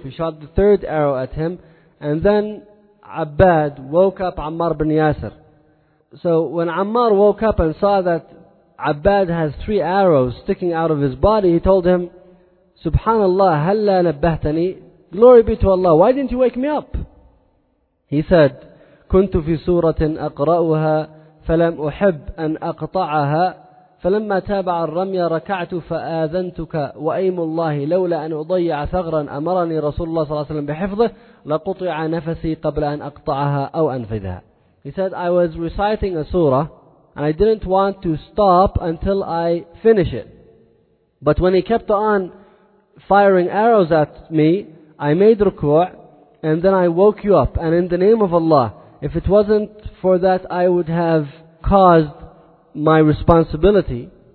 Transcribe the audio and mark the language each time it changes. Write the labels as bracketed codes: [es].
[en] He shot the third arrow at him. And then Abbad woke up Ammar bin Yasir. So when Ammar woke up and saw that Abbad has three arrows sticking out of his body, he told him, Subhanallah, [ar] halla nabbahtani, [en] glory be to Allah, why didn't you wake me up? He said, [ar] كنت في سورة أقرأها فلم أحب أن أقطعها فلما تابع الرمي ركعت فآذنتك وأيم الله لولا أن أضيع ثغرا أمرني رسول الله صلى الله عليه وسلم بحفظه لقطع نفسي قبل أن أقطعها أو أنفذها. [en] He said, I was reciting a surah and I didn't want to stop until I finish it. But when he kept on firing arrows at me, I made ruku' and then I woke you up. And in the name of Allah, if it wasn't for that, I would have caused my responsibility.